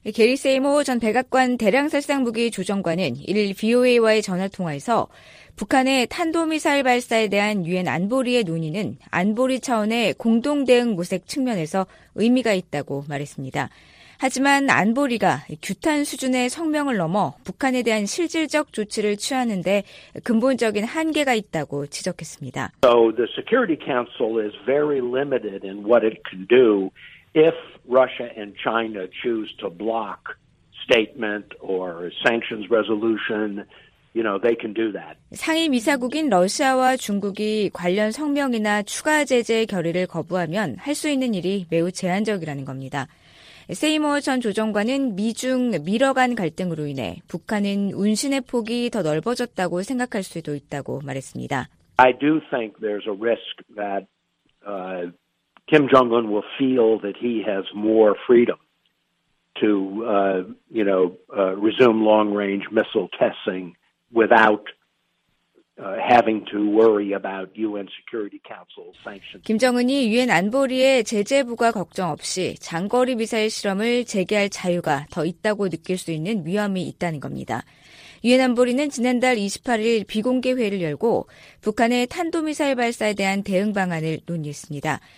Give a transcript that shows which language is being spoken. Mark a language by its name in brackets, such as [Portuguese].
[Korean] 게리 세이모 전 백악관 대량살상무기 조정관은 1일 VOA와의 전화통화에서 북한의 탄도미사일 발사에 대한 유엔 안보리의 논의는 안보리 차원의 공동대응 모색 측면에서 의미가 있다고 말했습니다. 하지만 안보리가 규탄 수준의 성명을 넘어 북한에 대한 실질적 조치를 취하는 데 근본적인 한계가 있다고 지적했습니다. [English] So the Security Council is very limited in what it can do if Russia and China choose to block statement or sanctions resolution. You know, they can do that. [Korean] 상임 이사국인 러시아와 중국이 관련 성명이나 추가 제재 결의를 거부하면 할 수 있는 일이 매우 제한적이라는 겁니다. 세이머 전 조정관은 미중 밀어간 갈등으로 인해 북한은 운신의 폭이 더 넓어졌다고 생각할 수도 있다고 말했습니다. [English] I do think there's a risk that Kim Jong-un will feel that he has more freedom to, you know, resume long-range missile testing without having to worry about UN Security Council sanctions. [Korean] 김정은이 유엔 안보리의 제재 부과 걱정 없이 장거리 미사일 실험을 재개할 자유가 더 있다고 느낄 수 있는 위험이 있다는 겁니다. 유엔 안보리는 지난달 28일 비공개 회의를 열고 북한의 탄도미사일 발사에 대한 대응 방안을 논의했습니다.